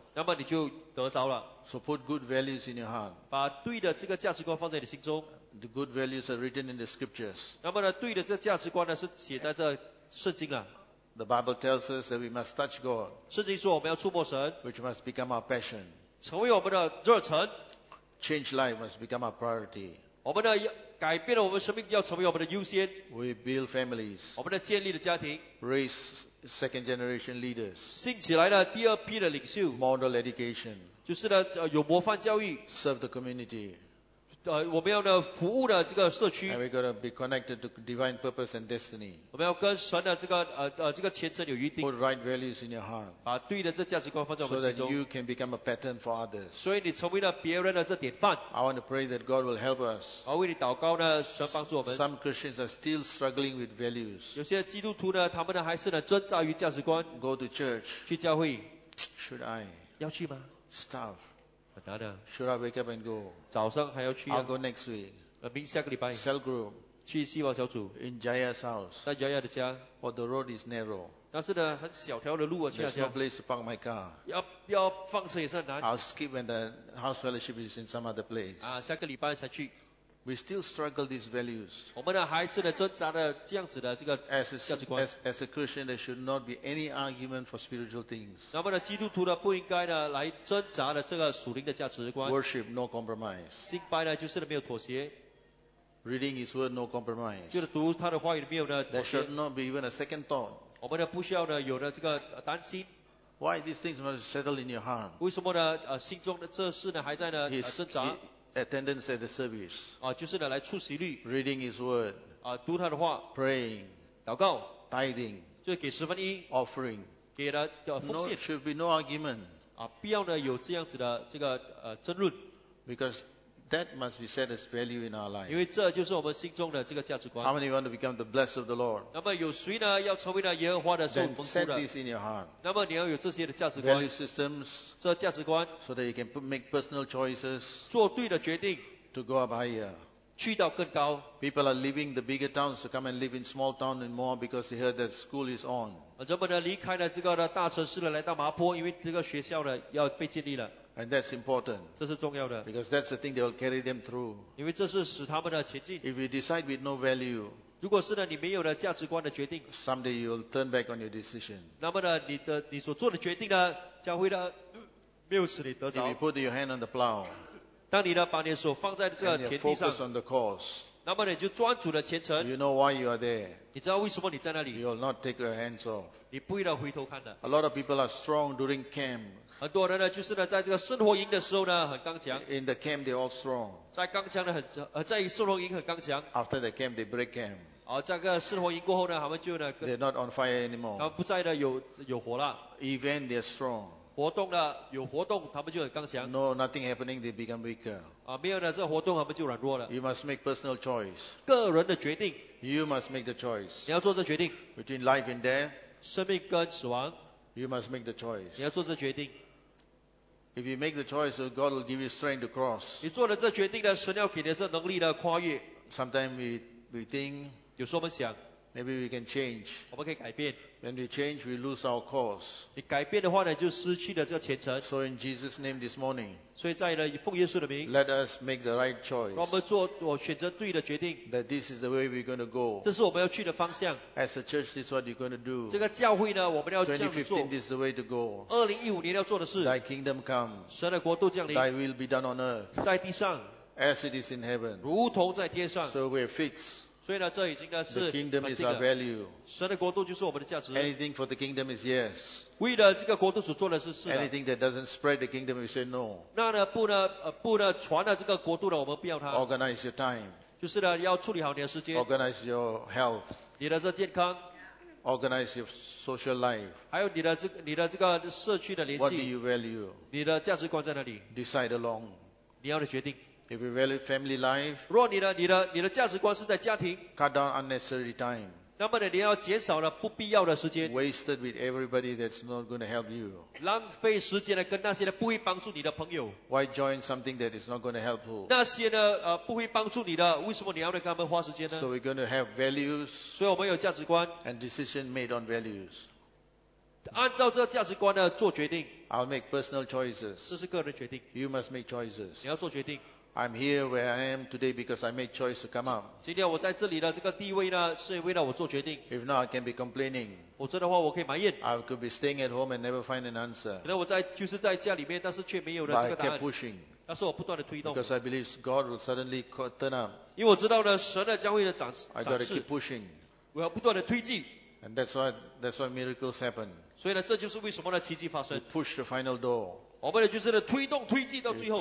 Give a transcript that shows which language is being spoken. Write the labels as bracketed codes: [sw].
[zh] 那么你就得着了。 [en] So put good values in your heart. [zh] 把对的这个价值观放在你心中。 [en] The good values are written in the scriptures. [zh] 那么呢，对的这价值观呢是写在这圣经了。 [en] The Bible tells us that we must touch God. [zh] 圣经说我们要触摸神。 [en] Which must become our passion. [zh] 成为我们的热忱。 [en] Change life must become our priority. [zh] 我们的改变了我们生命要成为我们的优先。 [en] We build families. [zh] 我们的建立的家庭。 [en] Raise second generation leaders. [zh] 兴起来了第二批的领袖。 [en] Model education. [zh] 就是呢，有模范教育。 [en] Serve the community. [zh] 我们要呢服务的这个社区。 [en] And we're going to be connected to divine purpose and destiny. [zh] 我们要跟神的这个这个前程有约定。 [en] Put right values in your heart. [zh] 把对的这价值观放在我们心中。 [en] So that you can become a pattern for others. [zh] 所以你成为了别人的这典范。 [en] I want to pray that God will help us. [zh] 好，为你祷告呢，神帮助我们。 [en] Some Christians are still struggling with values. [zh] 有些基督徒呢，他们呢还是呢挣扎于价值观。 [en] Go to church. [zh] 去教会。 [en] Should I? [zh] 要去吗 [en] ？Stop. Another. Should I wake up and go? [zh] 早上还要去、啊、 [en] I'll go next week. [zh] 明下个礼拜。 [en] Cell group. [zh] 去希望小组。 [en] In Jaya's house. [zh] 在 Jaya 的家。 [en] But the road is narrow. [zh] 但是呢，很小条的路啊，去他家。 [en] There's no place to park my car. [zh] 要放车也是很难。 [en] I'll skip when the house fellowship is in some other place. [zh] 啊，下个礼拜才去。 [en] We still struggle these values. [zh] 我们的孩子呢，挣扎的这样子的这个价值观。 [en] As a Christian, there should not be any argument for spiritual things. [zh] 那么呢，基督徒呢，不应该呢来挣扎的这个属灵的价值观。 [en] Worship, no compromise. [zh] 敬拜呢，就是没有妥协。 [en] Reading His word, no compromise. [zh] 就是读他的话语没有呢。 [en] There should not be even a second thought. [zh] 我们呢，不需要呢有了这个担心。 [en] Why these things must settle in your heart? [zh] 为什么呢？心中的这事呢，还在呢挣扎。 [en] Attendance at the service. [zh] 啊，就是呢，来出席率。 [en] Reading His word. [zh] 啊，读他的话。 [en] Praying. [zh] 祷告。 [en] Tithing. [zh] 就是给十分一。 [en] Offering. [zh] 给了奉献。 [en] No, should be no argument. [zh] 啊，不要呢有这样子的这个争论。 [en] Because that must be set as value in our life. [zh] 因为这就是我们心中的这个价值观。 [en] How many want to become the blessed of the Lord? [zh] 那么有谁呢要成为呢耶和华的受蒙福的 [en] ？Then set this in your heart. [zh] 那么你要有这些的价值观。 [en] Value systems. [zh] 这价值观。 [en] So that you can make personal choices. [zh] 做对的决定。 [en] To go up higher. [zh] 去到更高。 [en] People are leaving the bigger towns to come and live in small towns and more because they heard that school is on. [zh] 人们呢离开了这个的大城市了，来到麻坡，因为这个学校呢要被建立了。 [en] And that's important. [zh] 这是重要的。 [en] Because that's the thing that will carry them through. [zh] 因为这是使他们的前进。 [en] If you decide with no value, [zh] 如果是呢，你没有了价值观的决定。 [en] Someday you will turn back on your decision. [zh] 那么呢，你所做的决定呢，将会呢，没有使你得着。 [en] If you put your hand on the plow, [zh] 当你呢，把你的手放在这个田地上。 [en] And you focus on the course. [zh] 那么呢，你就专注的前程。 [en] You know why you are there. [zh] 你知道为什么你在那里。 [en] You will not take your hands off. [zh] 你不会呢回头看的。 [en] A lot of people are strong during camp. [zh] 很多人呢，就是呢，在这个生活营的时候呢，很刚强。 [en] In the camp, they're all strong. [zh] 在刚强的很，在生活营很刚强。 [en] After the camp, they break camp. They're not on fire anymore. [zh] 他们不再的有火了。 [en] Even they're strong. [zh] 活动了，有活动， [en] No, nothing happening, they become weaker. [zh] 没有了这活动， [en] You must make personal choice. [zh] 个人的决定。 [en] You must make the choice. [zh] 你要做这决定。 [en] Between life and death. [zh] 生命跟死亡。 [en] You must make the choice. [zh] 你要做这决定。 [en] If you make the choice, God will give you strength to cross. [zh] 你做了这决定了，神要给你这能力的跨越。 [en] Sometimes we think. [zh] 有时候我们想, [en] Maybe we can change. [zh] 我们可以改变。 [en] When we change, we lose our course. [zh] 你改变的话呢，就失去了这个前程。 [en] So in Jesus' name this morning. [zh] 所以在呢，奉耶稣的名。 [en] Let us make the right choice. [zh] 让我们做我选择对的决定。 [en] That this is the way we're going to go. [zh] 这是我们要去的方向。 [en] As a church, this is what you're going to do. [zh] 这个教会呢，我们要这样做。 [en] 2015 this is the way to go. [zh] 2015年要做的事。 [en] Thy kingdom come. [zh] 神的国度降临。 [en] Thy will be done on earth. [zh] 在地上。 [en] As it is in heaven. [zh] 如同在天上。 [en] So we're fixed. [zh] 所以呢，这已经呢是 [en] the kingdom is our value. [zh] 神的国度就是我们的价值。 [en] Anything for the kingdom is yes. [zh] 为了这个国度所做的是是。 [en] Anything that doesn't spread the kingdom, we say no. [zh] 那呢，不传了这个国度呢，我们不要它。 [en] Organize your time. [zh] 就是呢，要处理好你的时间。 [en] Organize your health. [zh] 你的这健康。 [en] Organize your social life. [zh] 还有你的这个社区的联系。 [en] What do you value? [zh] 你的价值观在哪里？ [en] Decide along. [zh] 你要的决定。 [en] If you value family life, [zh] 若你的价值观是在家庭, [en] cut down unnecessary time. [zh] 那么呢，你要减少了不必要的时间, [en] wasted with everybody that's not going to help you. [zh] 浪费时间跟那些不会帮助你的朋友. [en] Why join something that is not going to help you? [zh] 那些呢，不会帮助你的, 为什么你要跟他们花时间呢? [en] So we're going to have values, [zh] 所以我们有价值观, [en] and decision made on values. [zh] 按照这价值观呢做决定. [en] I'll make personal choices. [zh] 这是个人决定. [en] You must make choices. [zh] 你要做决定. [en] I'm here where I am today because I made choice to come up. [zh] 今天我在这里的这个地位呢，是为了我做决定。 [en] If not, I can be complaining. [zh] 否则的话，我可以埋怨。 [en] I could be staying at home and never find an answer. [zh] 可能我在就是在家里面，但是却没有了这个答案。 [en] But I kept pushing. [zh] 但是我不断的推动。 [en] Because I believe God will suddenly turn up. [zh] 因为我知道呢，神呢将会的展示。 [en] I gotta keep pushing. [zh] 我要不断的推进。 [en] And that's why miracles happen. [zh] 所以呢，这就是为什么呢奇迹发生。 [en] You push the final door. [zh] 我们呢就是呢推动推进到最后。